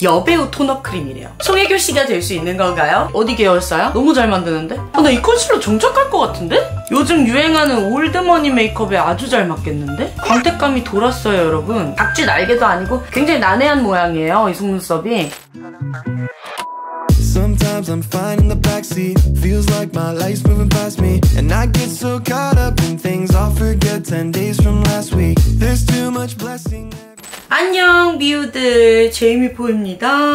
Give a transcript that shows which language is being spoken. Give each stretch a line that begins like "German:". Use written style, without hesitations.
Korean: 여배우 톤업 크림이래요. 송혜교 씨가 될 수 있는 건가요? 어디 계열사야? 너무 잘 만드는데? 아, 나 이 컨실러 정착할 것 같은데? 요즘 유행하는 올드머니 메이크업에 아주 잘 맞겠는데? 광택감이 돌았어요, 여러분. 각주 날개도 아니고 굉장히 난해한 모양이에요, 이 속눈썹이.
English: Sometimes I'm fine in the backseat. Feels like my life's moving past me. And I get so caught up in things I forget 10 days from last week. There's too much blessing.
Korean: 안녕 미우들, 제이미포입니다.